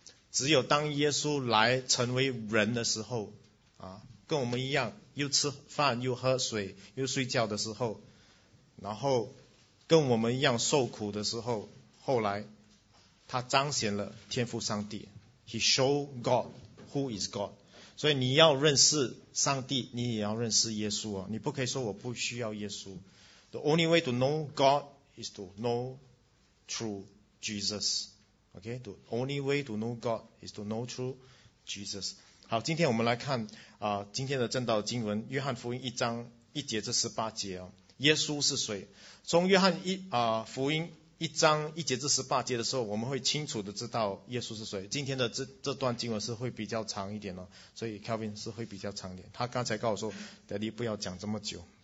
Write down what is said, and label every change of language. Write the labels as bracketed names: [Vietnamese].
[Chinese] 只有当耶稣来成为人的时候啊，跟我们一样，又吃饭又喝水又睡觉的时候，然后跟我们一样受苦的时候，后来他彰显了天父上帝。 [English] He showed God who is God。 [Chinese] 所以你要认识上帝，你也要认识耶稣哦。你不可以说我不需要耶稣。 [English] The only way to know God is to know through Jesus. Okay? The only way to know God is to know through Jesus. [Chinese] 好，今天我们来看啊、今天的正道经文，约翰福音一章一节至十八节哦。耶稣是谁？从约翰福音一章一节至十八节的时候，我们会清楚的知道耶稣是谁。今天的这段经文是会比较长一点哦，所以 Kelvin 是会比较长一点。他刚才告诉我说，Daddy 不要讲这么久。